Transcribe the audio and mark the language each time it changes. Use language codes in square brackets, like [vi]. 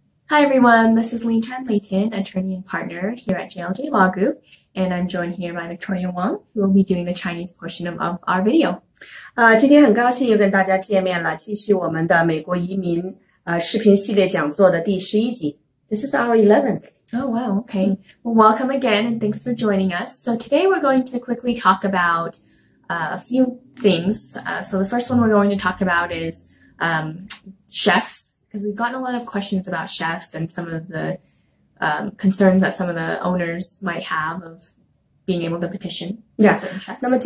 [en] Hi everyone, this is Lin Chan Leighton, attorney and partner here at JLJ Law Group, and I'm joined here by Victoria Wang, who will be doing the Chinese portion of our video. [zh] 今天很高兴又跟大家见面了，继续我们的美国移民视频系列讲座的第十一集. [en] This is our 11th. Oh, wow, okay. Well, welcome again, and thanks for joining us. So today we're going to quickly talk about a few things. So the first one we're going to talk about is chefs, because we've gotten a lot of questions about chefs and some of the concerns that some of the owners might have of being able to petition certain chefs.